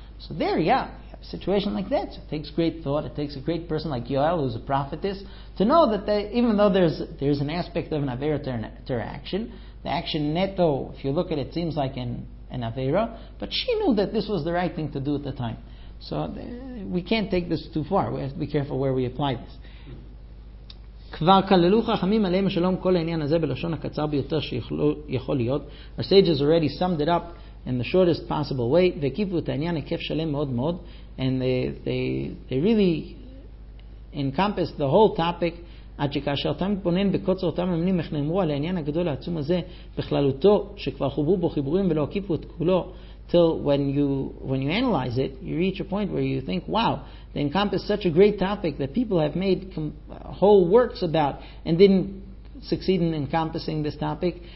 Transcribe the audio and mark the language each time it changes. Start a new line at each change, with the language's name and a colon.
English: So there, yeah, you have a situation like that. So it takes great thought. It takes a great person like Yoel, who's a prophetess, to know that they, even though there's an aspect of an avera to her action, the action netto, if you look at it, seems like an avera. But she knew that this was the right thing to do at the time. So we can't take this too far. We have to be careful where we apply this.
Hebrew: כבר כללו חכמים עליהם השלום כל העניין הזה בלשון הקצר ביותר שיכול להיות.
English: Our sages already summed it up in the shortest possible way.
Hebrew: והקיפו את העניין היקף שלם מאוד מאוד.
English: And they really encompassed the whole topic.
Hebrew: עד שכאשר אתה מתבונן בקוצר אותם ממנים איך נאמרו על העניין הגדול העצום הזה בכללותו שכבר חוברו בו חיבורים ולא הקיפו את כולו.
English: Till when you analyze it, you reach a point where you think, wow, they encompass such a great topic that people have made whole works about and didn't succeed in encompassing this topic.